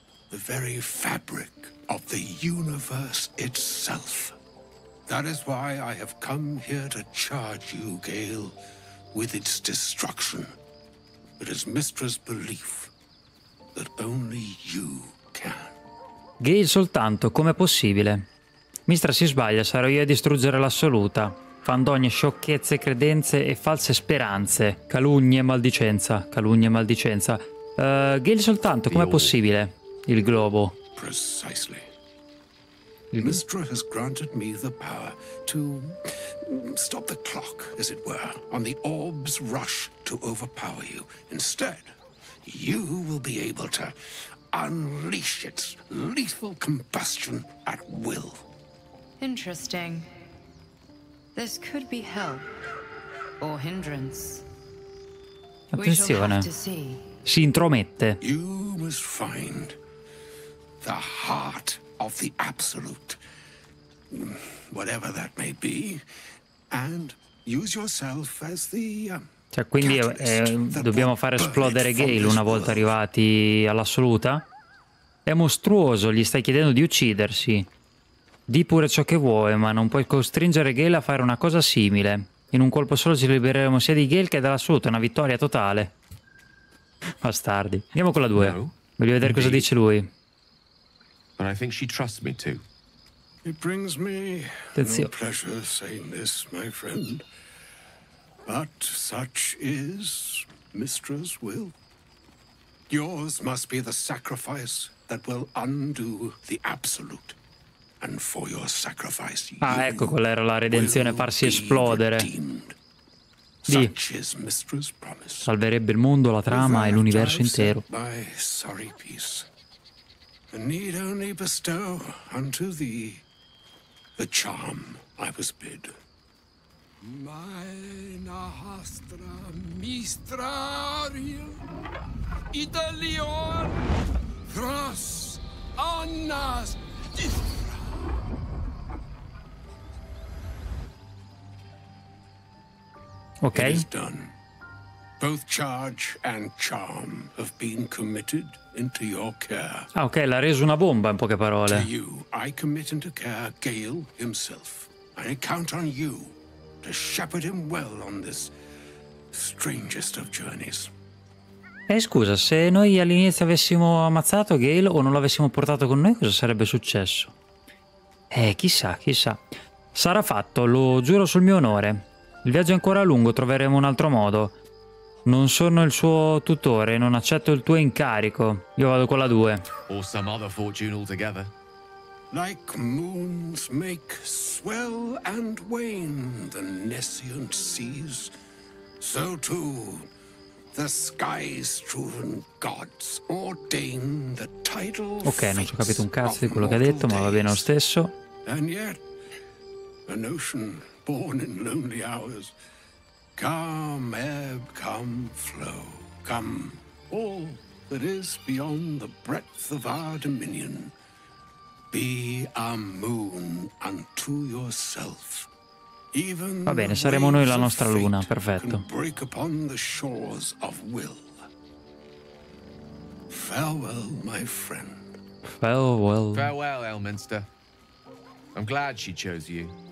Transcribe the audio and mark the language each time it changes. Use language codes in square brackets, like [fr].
[en] The very fabric of the universe itself. That is why I have come here to charge you, Gale, with its destruction. It is Mistress belief that only you can. [it] Gale soltanto, com'è possibile? Mistra si sbaglia, sarò io a distruggere l'assoluta. Fandonie, sciocchezze, credenze e false speranze. Calunnie e maldicenza. Gale soltanto, com'è possibile? Il globo. [en] Precisely. Mistra has granted me the power to stop the clock, as it were, on the orb's rush to overpower you. Instead, you will be able to unleash its lethal combustion at will. Interesting. This could be help or hindrance. [it] Attenzione. Si intromette. [en] You must find the heart of the Absolute, whatever that may be, and use yourself as the [it] Cioè, quindi dobbiamo far esplodere Gale una volta arrivati all'assoluta? È mostruoso, gli stai chiedendo di uccidersi. Di pure ciò che vuoi, ma non puoi costringere Gale a fare una cosa simile. In un colpo solo ci libereremo sia di Gale che dell'assoluta, è una vittoria totale. Bastardi. Andiamo con la 2. Voglio vedere cosa dice lui. [en] But I think she trusts me too. It brings me no pleasure saying this, my friend. But such is Mistress' will. Yours must be the sacrifice that will undo the absolute. And for your sacrifice, [it] ah, ecco quella era la redenzione, farsi esplodere. [en] Such is Mistress' promise. [it] Salverebbe il mondo, la trama e l'universo intero. [en] My sorry peace. And need only bestow unto thee the charm I was bid. Mina astra mistrario idalion cross annas distra. Ok. It is done. Both charge and charm have been committed into your care. [it] Ah, ok, l'ha reso una bomba, in poche parole. [en] To you, I commit into care Gale himself. I count on you to shepherd him well on this strangest of journeys. [it] Scusa, se noi all'inizio avessimo ammazzato Gale o non l'avessimo portato con noi, cosa sarebbe successo? Chissà, chissà. Sarà fatto, lo giuro sul mio onore. Il viaggio è ancora lungo, troveremo un altro modo. Non sono il suo tutore, non accetto il tuo incarico. Io vado con la 2. [en] Or some other fortune altogether. Like moons make swell and wane the nescient seas, so too the sky's driven gods ordain the tidal. [it] Ok, non ci ho capito un cazzo di quello che ha detto, ma va bene lo stesso. [en] And yet, an ocean born in lonely hours. Come, ebb, come, flow, come, all that is beyond the breadth of our dominion. Be a moon unto yourself. [it] Even va bene, saremo noi la nostra luna, perfetto. [en] Break upon the shores of will. Farewell, my friend. Farewell. Farewell, Elminster. I'm glad she chose you.